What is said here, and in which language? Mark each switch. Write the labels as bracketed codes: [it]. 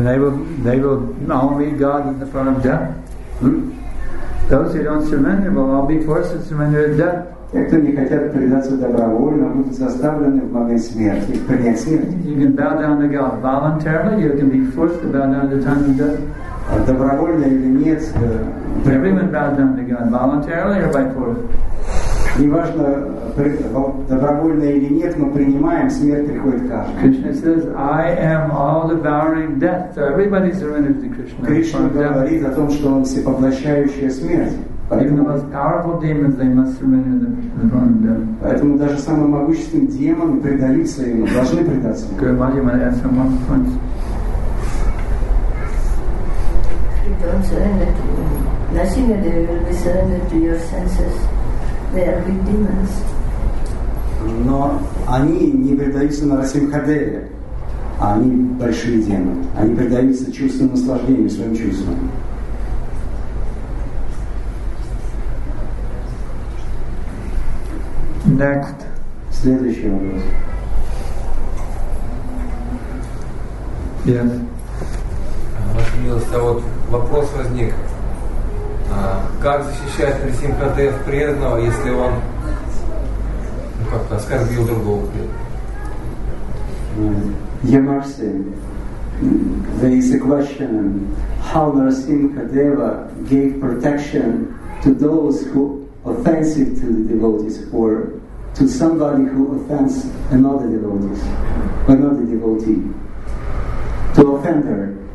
[en] they will not meet God in the form of death. Those who don't surrender will all be forced to surrender at death. [ru] Те, кто не хотят предаться добровольно, будут заставлены в момент смерти принять смерть. [en] You can bow down to God voluntarily. You can be forced to bow down at the time of death. [ru] Добровольно или нет. [en] Everyone bow down to God voluntarily or by force. [ru] Неважно добровольно или нет, мы принимаем смерть, приходит каждый. [en] Krishna says, I am all devouring death. So everybody surrenders to Krishna. [ru] Krishna говорит о том, что он всепоглощающая смерть. [en] Even the most powerful demons, they must surrender in the form of death. [ru] Поэтому даже самые могущественные демоны предаются ему, должны предаться. [en] Guru Mahārāja might add some more points. If you don't surrender to Nasimha Deva, you will be surrendered to your senses. They are big demons. [ru] но они не предаются на Расимхадеве, а они большие демоны. Они предаются чувствам наслаждения, своим чувствам. [en] Next. [ru] Следующий вопрос. [en] Yes. [ru] Ваша милость, а вот вопрос возник. Как защищать Расимхадев преданного, если он как-то оскорбил другого преданного? [en] Yamash Singh, there is a question. How Narasimhadeva gave protection to those who offensive to the devotees or to somebody who offends another devotee, to offender?